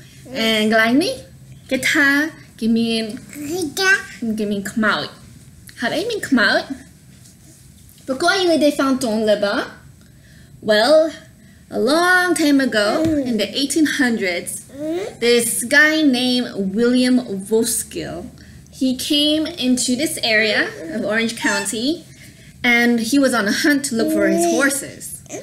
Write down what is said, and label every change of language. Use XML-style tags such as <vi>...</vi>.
<en>And Glimey, get her, give me come out. How do you mean come out?</en> <fr>Pourquoi il y a des fantômes là-bas?</fr> <en>Well, a long time ago, in the 1800s, this guy named William Voskill, he came into this area of Orange County, and he was on a hunt to look for his horses.</en>